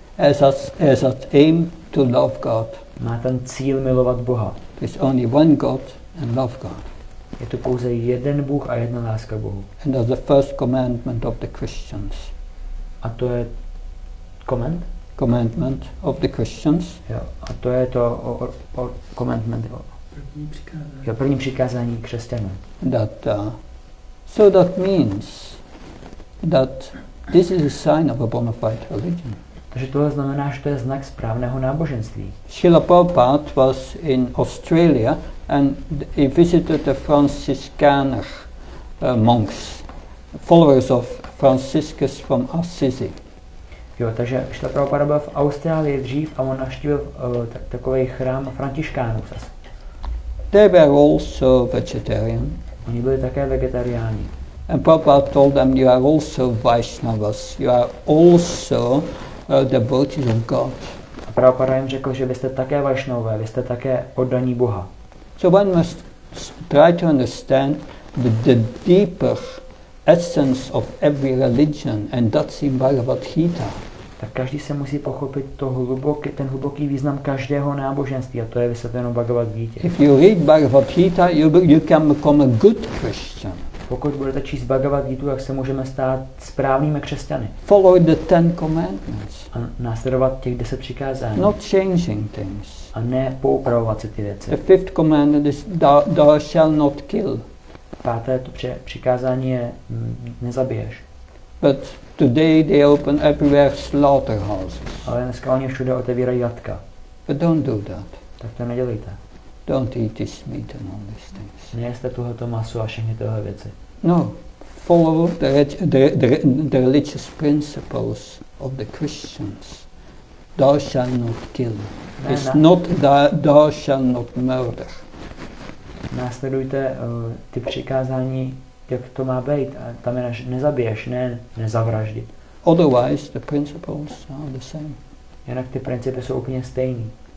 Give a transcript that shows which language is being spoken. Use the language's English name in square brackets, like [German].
[English] has a aim to love God. [Czech] Má ten cíl milovat Boha. [English] There's only one God and love God. [Czech] Je to pouze jeden Bůh a jedna láska Bohu. [English] And that's the first commandment of the Christians. [Czech] A to je command? [English] Commandment of the Christians. [Czech] Jo, a to je to commandment. První přikázání křesťanů. [English] That so that means that this is a sign of a bona fide religion. [Czech] Takže tohle znamená, že to je znak správného náboženství. [English] Srila Prabhupada was in Australia and he visited the Franciscaner monks, followers of Franciscus from Assisi. [Czech] Jo, takže Srila Prabhupada byl v Austrálii dřív a on navštívil takový chrám františkánů. [English] They were also vegetarian. [Czech] Oni byli také vegetariáni. [English] And Prabhupada told them, you are also Vaishnavas. You are also devotees of God. [Czech] A Prabhupada jim řekl, že vy jste také Vaishnavové, vy jste také oddaní Boha. [English] So one must try to understand the deeper essence of every religion, and that's in Bhagavad Gita. [Czech] Tak každý se musí pochopit to hluboký, ten hluboký význam každého náboženství a to je vysvětleno Bhagavad Gita. [English] If you read Bhagavad Gita, you can become a good Christian. [Czech] Pokud budete číst Bhagavad Gita, tak se můžeme stát správnými křesťany. [English] Follow the ten commandments. [Czech] A následovat těch 10 přikázání. [English] Not changing things. [Czech] A ne poupravovat se ty věci. [English] The fifth commandment is thou shall not kill. [Czech] Páté to přikázání je nezabiješ. [English] But today they open everywhere slaughterhouses. [Czech] Ale dneska oni všude otevírají jatka. [English] But don't do that. [Czech] Tak to nedělejte. [English] Don't eat this meat and all these things. [Czech] Nejeste tohoto masu a všechny tohle věci. [English] No, follow the religious principles of the Christians. Thou shall not kill. Ne, it's not thou shall not murder. [Czech] následujte ty přikázání, jak to má být. A tam je nezabiješ, ne nezavraždit. [English] Otherwise the principles are the same. [Czech] Jinak ty principy jsou úplně stejný.